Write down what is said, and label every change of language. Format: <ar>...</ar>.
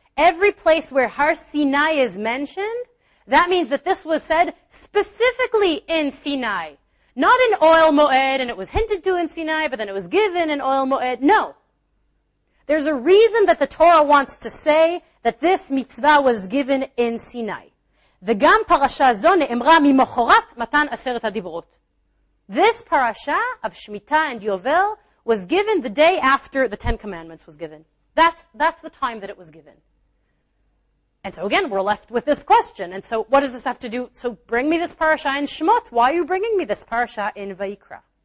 <en>Every place where Har Sinai is mentioned, that means that this was said specifically in Sinai. Not in Ohel Moed, and it was hinted to in Sinai, but then it was given in Ohel Moed. No. There's a reason that the Torah wants to say that this mitzvah was given in Sinai.</en> <he>וגם פרשה זו נאמרה ממחרת מתן עשרת הדיברות.</he> <en>This parasha of Shemitah and Yovel was given the day after the Ten Commandments was given. That's the time that it was given. And so again, we're left with this question. And so what does this have to do? So bring me this parasha in Shemot. Why are you bringing me this parasha in Vayikra?</en>